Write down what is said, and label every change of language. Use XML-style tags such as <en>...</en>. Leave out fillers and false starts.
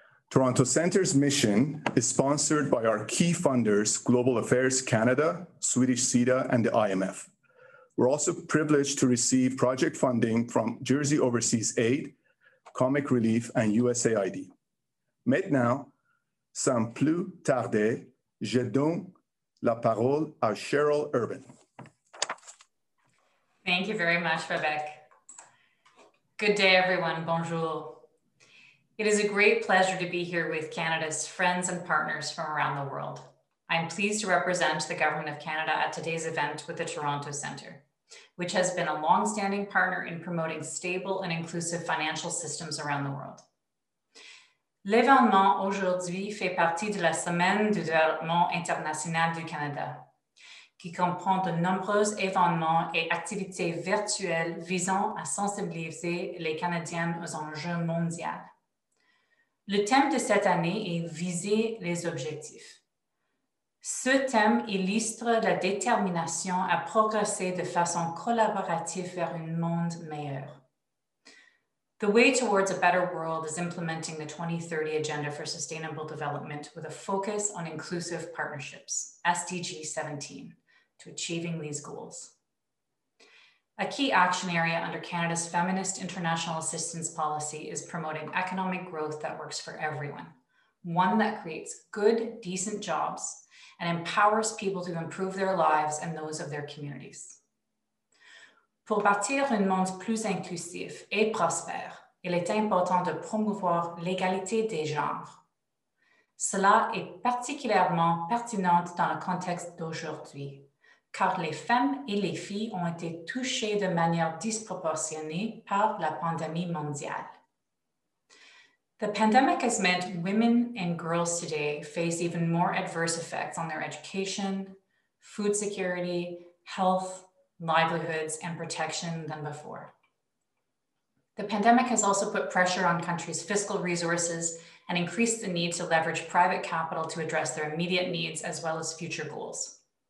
<en>Toronto Centre's mission is sponsored by our key funders, Global Affairs Canada, Swedish CEDA, and the IMF. We're also privileged to receive project funding from Jersey Overseas Aid, Comic Relief, and USAID.</en> <fr>Maintenant, sans plus tarder, je donne la parole à Cheryl Urban.</fr> <en>Thank you very much, Babak. Good day, everyone.</en> <fr>Bonjour.</fr> <en>It is a great pleasure to be here with Canada's friends and partners from around the world. I'm pleased to represent the Government of Canada at today's event with the Toronto Centre, which has been a longstanding partner in promoting stable and inclusive financial systems around the world.</en> <fr>L'événement aujourd'hui fait partie de la Semaine du Développement International du Canada. qui comprend de nombreux événements et activités virtuelles visant à sensibiliser les Canadiens aux enjeux mondiaux. Le thème de cette année est « Viser les objectifs ». Ce thème illustre la détermination à progresser de façon collaborative vers un monde meilleur.</fr> <en>The way towards a better world is implementing the 2030 Agenda for Sustainable Development with a focus on inclusive partnerships, SDG 17, to achieving these goals. A key action area under Canada's Feminist International Assistance Policy is promoting economic growth that works for everyone, one that creates good, decent jobs and empowers people to improve their lives and those of their communities.</en> <fr>Pour bâtir un monde plus inclusif et prospère, il est important de promouvoir l'égalité des genres. Cela est particulièrement pertinent dans le contexte d'aujourd'hui, car les femmes et les filles ont été touchées de manière disproportionnée par la pandémie mondiale.</fr> <en>The pandemic has meant women and girls today face even more adverse effects on their education, food security, health, livelihoods, and protection than before. The pandemic has also put pressure on countries' fiscal resources and increased the need to leverage private capital to address their immediate needs as well as future goals.</en>